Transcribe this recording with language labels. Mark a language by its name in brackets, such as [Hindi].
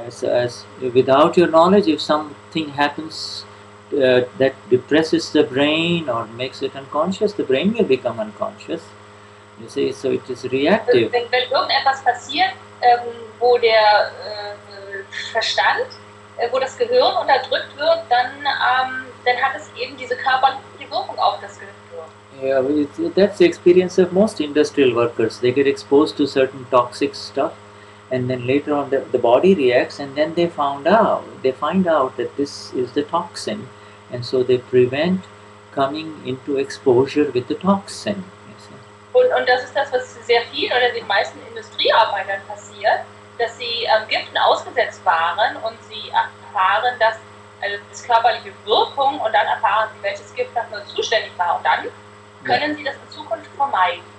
[English] As without your knowledge, if something happens that depresses the brain or makes it unconscious, the brain will become unconscious. You see, so it is reactive. [German] Wenn irgendetwas passiert, wo der Verstand, wo das Gehirn unterdrückt wird, dann hat es eben diese körperliche Wirkung auf das Gehirn. [English] Yeah, that's the experience of most industrial workers. They get exposed to certain toxic stuff, and then later on the body reacts, and then they find out that this is the toxin, and so they prevent coming into exposure with the toxin. [German] Und das ist das, was sehr viel oder den meisten Industriearbeitern passiert, dass sie Giften ausgesetzt waren und sie erfahren, dass das körperliche Wirkung, und dann erfahren sie, welches Gift das nur zuständig war, und dann können sie das in Zukunft vermeiden.